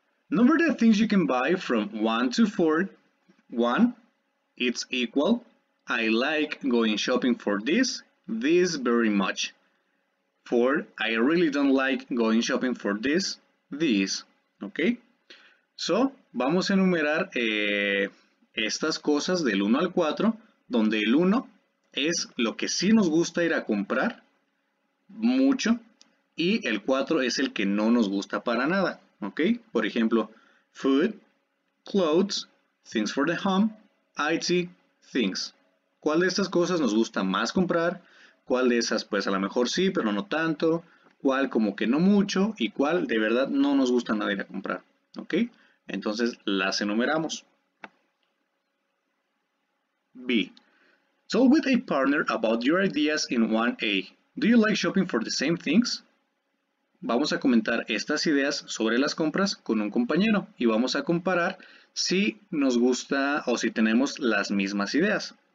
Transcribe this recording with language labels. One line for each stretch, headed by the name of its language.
English: Number the things you can buy from 1 to 4. 1. It's equal. I like going shopping for this very much. 4. I really don't like going shopping for this. Okay?
Spanish: So, vamos a enumerar estas cosas del 1 al 4, donde el 1 es lo que sí nos gusta ir a comprar mucho y el 4 es el que no nos gusta para nada, ¿ok? Por ejemplo,
English: food, clothes, things for the home, IT, things.
Spanish: ¿Cuál de estas cosas nos gusta más comprar? ¿Cuál de esas, pues, a lo mejor sí, pero no tanto? ¿Cuál como que no mucho? ¿Y cuál de verdad no nos gusta nada ir a comprar? ¿Ok? Entonces, las enumeramos. B.
English: Talk with a partner about your ideas in 1A. Do you like shopping for the same things?
Spanish: Vamos a comentar estas ideas sobre las compras con un compañero y vamos a comparar si nos gusta o si tenemos las mismas ideas.